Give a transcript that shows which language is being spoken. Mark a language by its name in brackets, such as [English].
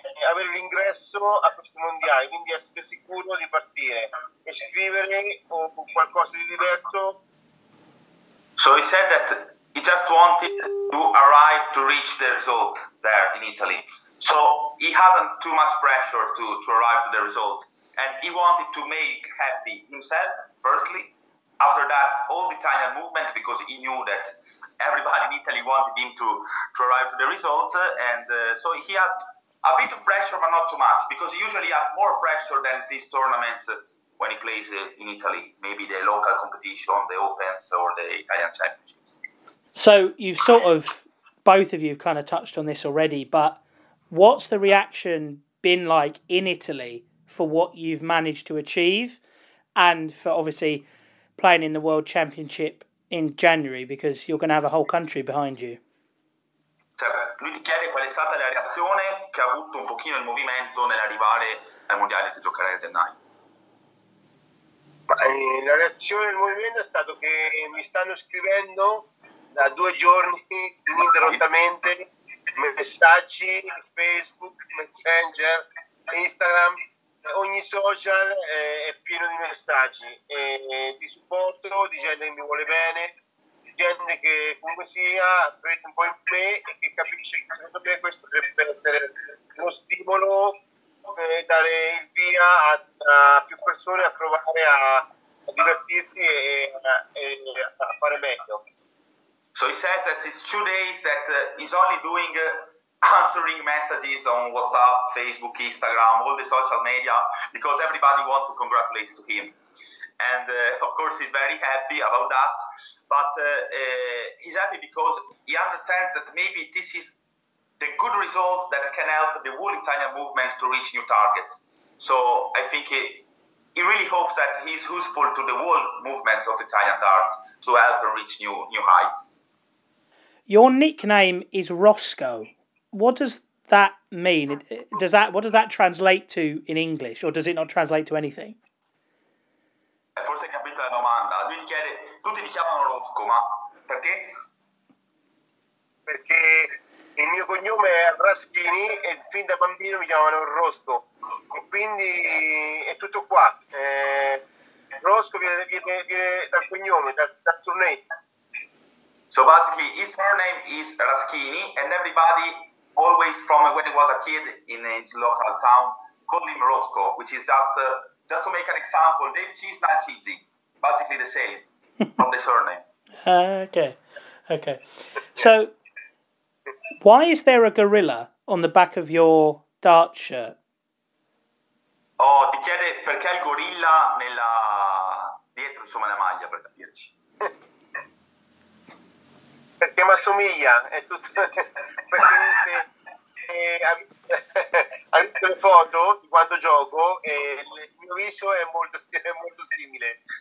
[Italian] avere l'ingresso a questi mondiali, quindi essere sicuro di partire e scrivere o qualcosa di diverso. [English] So he said that he just wanted to arrive to reach the result there in Italy. So he hasn't too much pressure to arrive to the result. And he wanted to make happy himself, firstly. After that, all the Italian movement, because he knew that everybody in Italy wanted him to arrive to the result. And so he has a bit of pressure, but not too much, because he usually has more pressure than these tournaments when he plays in Italy, maybe the local competition, the Opens or the Italian Championships. So you've sort of, both of you have kind of touched on this already, but what's the reaction been like in Italy for what you've managed to achieve and for obviously playing in the World Championship in January, because you're going to have a whole country behind you? [Italian] Lui ti chiede qual è stata la reazione che ha avuto un pochino il movimento nell'arrivare ai mondiali che giocherai a gennaio. La reazione del movimento è stato che mi stanno scrivendo da due giorni ininterrottamente messaggi, Facebook, Messenger, Instagram, ogni social è pieno di messaggi, di supporto, di gente che mi vuole bene, di gente che comunque sia crede un po' in me e che capisce che secondo me questo deve essere uno stimolo per dare il via a più persone a provare a divertirsi e a fare meglio. [English] So he says that it's 2 days that he's only doing answering messages on WhatsApp, Facebook, Instagram, all the social media, because everybody wants to congratulate to him. And of course he's very happy about that, but he's happy because he understands that maybe this is the good result that can help the whole Italian movement to reach new targets. So I think he really hopes that he's useful to the whole movements of Italian darts to help them reach new heights. Your nickname is Roscoe. What does that mean? What does that translate to in English, or does it not translate to anything? [Italian] Forse hai capito la domanda. Lui ti chiede, tutti ti chiamano Roscoe, ma perché? Perché il mio cognome è Raschini e fin da bambino mi chiamano Roscoe. Quindi è tutto qua. Roscoe viene dal cognome, dal surname. [English] So basically, his surname is Raschini, and everybody always, from when he was a kid in his local town, called him Roscoe, which is just to make an example, Dave Cheese, not Cheesy, basically the same from the surname. Okay. So, why is there a gorilla on the back of your dart shirt? [Italian] Oh, ti chiede perché il gorilla nella dietro, insomma, la maglia, per capirci. Perché mi assomiglia, è tutto. Perché ha visto le foto di quando gioco e il mio viso è molto simile.